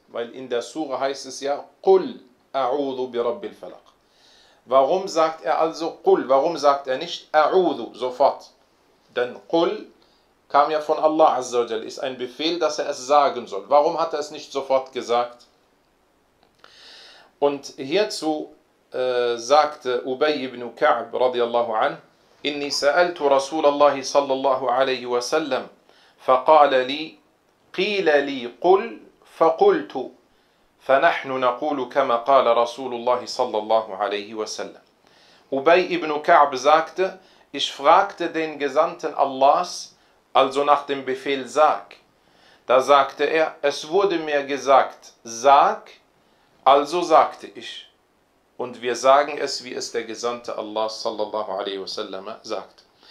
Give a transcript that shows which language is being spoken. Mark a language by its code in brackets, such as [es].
[de] Weil in der Sura heißt es ja, [ar] قُلْ أَعُوذُ بِرَبِّ الْفَلَقِ. [de] Warum sagt er also قُلْ, warum sagt er nicht أَعُوذُ sofort? Denn قُلْ kam ja von Allah azza wa jal, ist ein Befehl, dass er es sagen soll. Warum hat er es nicht sofort gesagt? Und hierzu sagte Ubay ibn Ka'b radiallahu an, [ar] إِنِّي سَأَلْتُ رَسُولَ اللَّهِ صَلَّى اللَّهُ عَلَيْهِ وَسَلَّمْ فقال لي قيل لي قل فقلت فنحن نقول كما قال رسول الله صلى الله عليه وسلم. [de] Ubay ibn Ka'b sagte, ich fragte den Gesandten Allahs, also nach dem Befehl sag. Da sagte er, es wurde mir gesagt, sag, also sagte ich. Und wir sagen es, wie es der Gesandte Allahs [ar] صلى الله عليه وسلم [de] sagt.